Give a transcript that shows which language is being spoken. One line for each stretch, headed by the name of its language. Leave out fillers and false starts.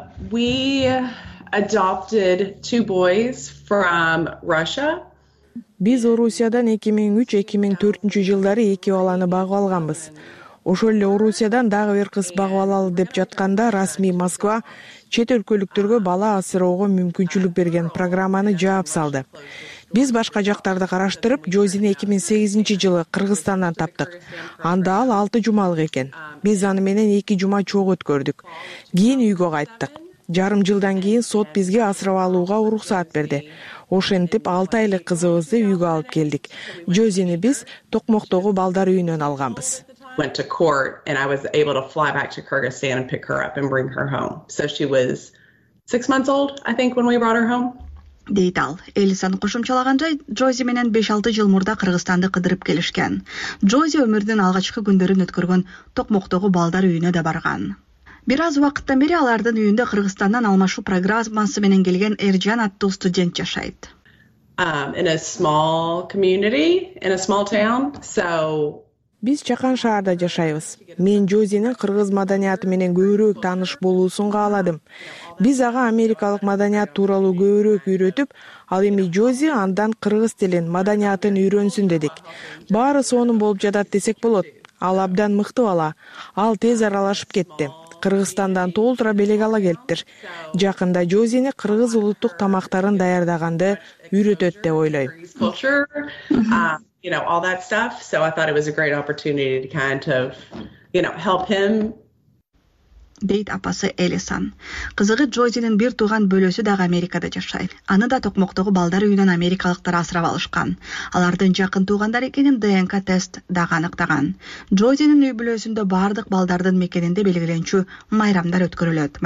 English: We adopted two boys from Russia.
Kyrgyz: Биз Орусиядан 2003-2004 жылдары эки баланы багып алганбыз. Ошол эле Орусиядан дагы бир кыз багып алалы деп жатканда расмий Москва чет өлкөлүктөргө бала асыроого мүмкүнчүлүк берген программаны жаап салды. Биз башка жактарды караштырып, Джозини 2008 жылы Кыргызстандан таптык. Анда ал 6 жумалык экен. Биз аны менен 2 жума чогуу өткөрдүк. Кийин үйгө кайттык. Жарым жылдан кийин сот бизге асырап алууга уруксат берди. Ошентип 6 айлык кызыбызды үйгө алып келдик. Джозини биз Токмоктогу балдар үйүнөн алганбыз.
English: Went to court and I was able to fly back to Kyrgyzstan and pick her up and bring her home. So she was 6 months old, I think, when we brought her home.
Kyrgyz: Дейт ал. Элисан кошумчалаганда, Джози менен 5-6 жыл мурда Кыргызстанды кыдырып келишкен. Джози өмүрдүн алгачкы күндөрүн өткөргөн Токмоктогу балдар үйүнө да барган. Бир аз убакыттан бери алардын үйүндө Кыргызстандан алмашуу программасы менен келген Эржан аттуу студент жашайт.
English: In a small community, in a small town. So
Kyrgyz: биз чакан шаарда жашайбыз. Мен Джозинин кыргыз маданияты менен көбүрөөк тааныш болуусун кааладым. Биз ага америкалык маданият тууралуу көбүрөөк үйрөтүп, ал эми Джози андан кыргыз тилин, маданиятын үйрөнсүн дедик. Баары сонун болуп жатат десек болот. Ал абдан мыкты бала. Ал тез аралашып кетти. Кыргызстандан толтура белек ала келиптир. Жакында Джозини кыргыз улуттук тамактарын даярдаганды үйрөтөт деп ойлойм.
English: You know, all that stuff. So I thought it was a great opportunity to kind of, you know, help him.
Kyrgyz: Дейт апасы Элисан. Кызыгы Джозинин бир тууган бөлөсү дагы Америкада жашайт. Аны да Токмоктогу балдар үйүнөн америкалыктар асырап алышкан. Алардын жакын туугандар экенин ДНК тест дагы аныктаган. Джозинин үй бүлөсүндө бардык балдардын мекенинде белгиленчү майрамдар өткөрүлөт.